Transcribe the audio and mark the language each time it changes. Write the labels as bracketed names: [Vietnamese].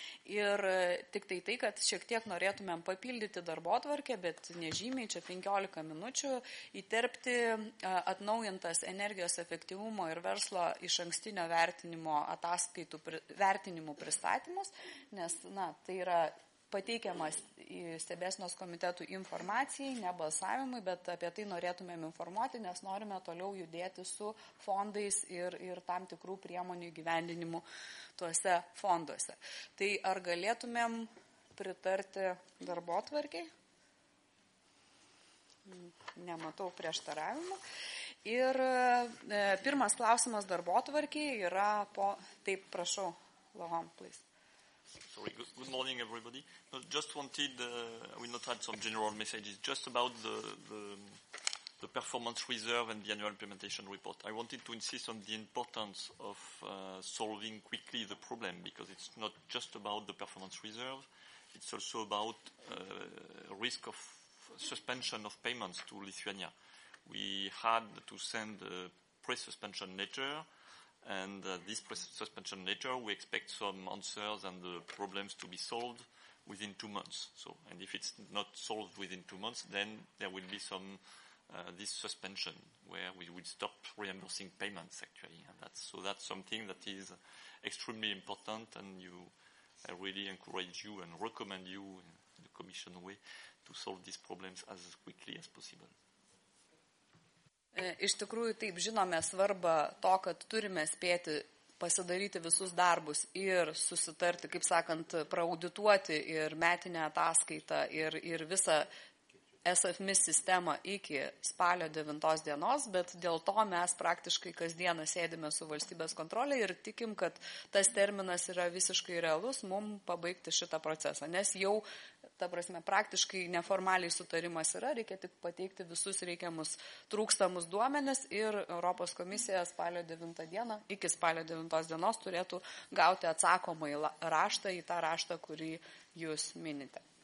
[Lithuanian] Ir tik tai, kad šiek tiek norėtumėm papildyti darbotvarkę, bet nežymiai, čia 15 minučių, įterpti atnaujintas energijos efektyvumo ir verslo iš ankstinio vertinimo ataskaitų vertinimų pristatymus, nes, na, tai yra pateikiamas į stebėsnos komitetų informacijai, ne balsavimui, bet apie tai norėtumėm informuoti, nes norime toliau judėti su fondais ir tam tikrų priemonių įgyvendinimu tuose fonduose. Tai ar galėtumėm pritarti darbotvarkiai? Nematau prieštaravimų. Ir pirmas klausimas darbotvarkiai yra po... Taip, prašau, Lohan, please. [English] Sorry, good morning everybody. No, just wanted, I will not add some general messages, just about the the performance reserve and the annual implementation report. I wanted to insist on the importance of solving quickly the problem, because it's not just about the performance reserve. It's also about risk of suspension of payments to Lithuania. We had to send a pre-suspension letter, and this pre-suspension letter, we expect some answers and the problems to be solved within 2 months. So, and if it's not solved within 2 months, then there will be some this suspension where we will stop reimbursing payments, actually. And that's, so that's something that is extremely important, and you, I really encourage you and recommend you in the Commission way to solve these problems as quickly as possible. [Lithuanian] Iš tikrųjų, taip, žinome svarbą to, kad turime spėti pasidaryti visus darbus ir susitarti, kaip sakant, praudituoti ir metinę ataskaitą ir visą SFMIS sistemą iki spalio 9 dienos, bet dėl to mes praktiškai kasdieną sėdime su valstybės kontrole ir tikim, kad tas terminas yra visiškai realus mums pabaigti šitą procesą, nes jau, ta prasme, praktiškai neformaliai sutarimas yra, reikia tik pateikti visus reikiamus trūkstamus duomenis ir Europos komisija spalio 9 dieną, iki spalio 9 dienos turėtų gauti atsakomą raštą į tą raštą, kurį jūs minite.